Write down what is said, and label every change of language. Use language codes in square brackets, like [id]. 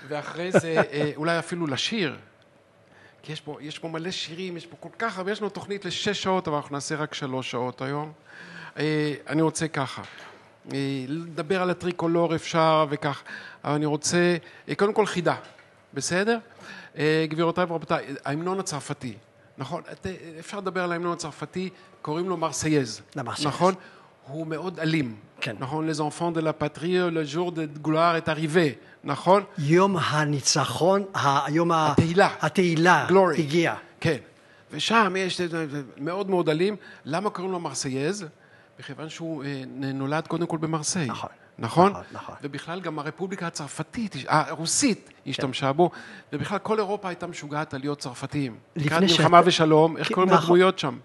[he] ואחרי זה, אולי אפילו לשיר. כי יש פה מלא שירים, יש פה כל כך הרבה, יש לנו תוכנית לשש שעות, אבל אנחנו נעשה רק שלוש שעות היום. אני רוצה ככה. לדבר על הטריקולור אפשר וכך, אבל אני רוצה, קודם כל חידה, בסדר? גבירותיי ורבותיי, ההמנון הצרפתי, נכון? אפשר לדבר על ההמנון הצרפתי, קוראים לו מרסייז, נכון? הוא מאוד אלים, נכון? [fr] Les enfants de la patrie, le jour de gloire est arrivé, [he] נכון? יום הניצחון, היום התהילה, התהילה הגיע. כן, ושם יש מאוד מאוד אלים, למה קוראים לו מרסייז? בכיוון שהוא נולד קודם כל במרסי. נכון. ובכלל גם הרפובליקה הצרפתית, הרוסית, השתמשה בו. ובכלל כל אירופה הייתה משוגעת על להיות צרפתיים. לפני שאתה... מלחמה ושלום, איך קוראים לדמויות שם?